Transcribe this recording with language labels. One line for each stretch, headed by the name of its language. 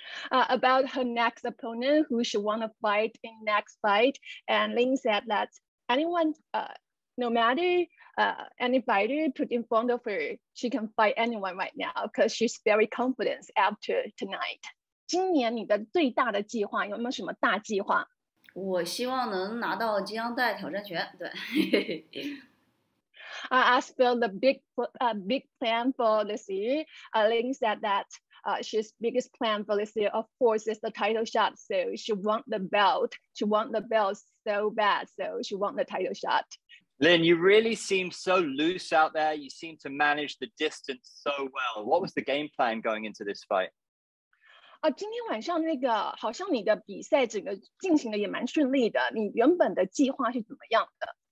English: About her next opponent, who she want to fight in next fight, and Lin said that anyone, no matter any fighter put in front of her, she can fight anyone right now because she's very confident after tonight.
Chinese: 今年你的最大的计划有没有什么大计划？我希望能拿到金腰带挑战权，对。
English: I asked for the big plan for this year. Lin said that she's biggest plan for this year, of course, is the title shot. So she want the belt. She want the belt so bad. So she want the title shot. Lin, you really seem so loose out there. You seem to manage the distance so well. What was the game plan going into this fight?
Chinese: 今天晚上那个好像你的比赛整个进行的也蛮顺利的。你原本的计划是怎么样的？